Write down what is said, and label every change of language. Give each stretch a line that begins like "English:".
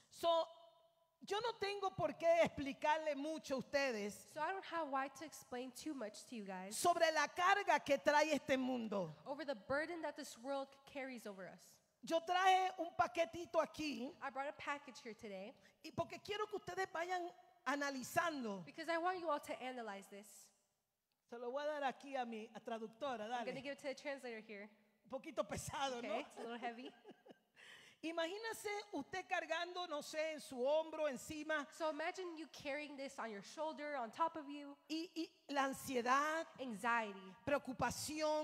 Spanish: So, yo no tengo por qué explicarle mucho a ustedes,
English: so I don't have why to explain too much to you guys,
Spanish: sobre la carga que trae este mundo,
English: over the burden that this world carries over us.
Spanish: Yo traje un paquetito aquí,
English: I brought a package here today,
Spanish: y porque quiero que ustedes vayan analizando,
English: because I want you all to analyze this.
Spanish: Se lo voy a dar aquí a mi a traductora, dale.
English: I'm going to give it to the translator here.
Spanish: Un poquito pesado,
English: okay,
Spanish: ¿no?
English: It's a little heavy.
Spanish: Imagínese usted cargando, no sé, en su hombro, encima.
English: So imagine you carrying this on your shoulder, on top of you.
Spanish: Y la ansiedad.
English: Anxiety.
Spanish: Preocupación.